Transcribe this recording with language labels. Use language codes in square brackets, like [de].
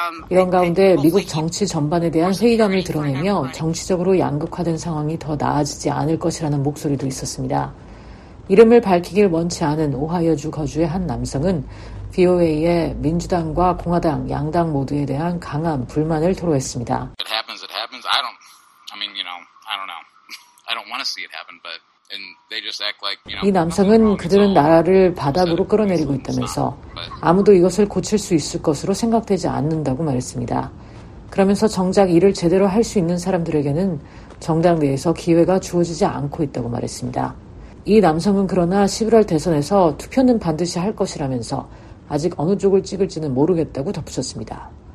[ko] 이런 가운데 미국 정치 전반에 대한 회의감을 드러내며 정치적으로 양극화된 상황이 더 나아지지 않을 것이라는 목소리도 있었습니다. 이름을 밝히길 원치 않은 오하이오주 거주의 한 남성은 VOA에 민주당과 공화당 양당 모두에 대한 강한 불만을 토로했습니다. [en] It happens, it happens. I don't want to see it happen, but [ko] 이 남성은 그들은 나라를 바닥으로 끌어내리고 있다면서 아무도 이것을 고칠 수 있을 것으로 생각되지 않는다고 말했습니다. 그러면서 정작 일을 제대로 할 수 있는 사람들에게는 정당 내에서 기회가 주어지지 않고 있다고 말했습니다. 이 남성은 그러나 11월 대선에서 투표는 반드시 할 것이라면서 아직 어느 쪽을 찍을지는 모르겠다고 덧붙였습니다.